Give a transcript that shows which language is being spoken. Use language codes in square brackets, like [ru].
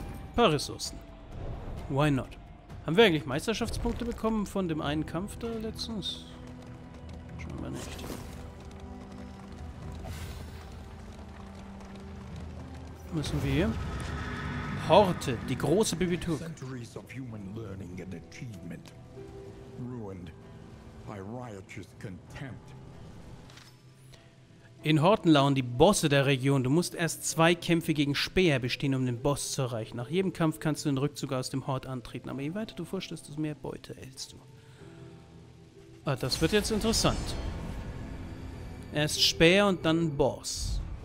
[de] Ein paar Ressourcen. [en] Why not? [de] Haben wir eigentlich Meisterschaftspunkte bekommen von dem einen Kampf da letztens? Schauen wir nicht. Müssen wir Horte, die große Bibliothek. [en] Centuries of human learning and achievement ruined by riotous contempt. [de] In Horten lauern die Bosse der Region. Du musst erst 2 Kämpfe gegen Späher bestehen, um den Boss zu erreichen. Nach jedem Kampf kannst du den Rückzug aus dem Hort antreten. Aber je weiter du vorstellst, desto mehr Beute erhältst du. Ah, das wird jetzt interessant. Erst Späher und dann Boss.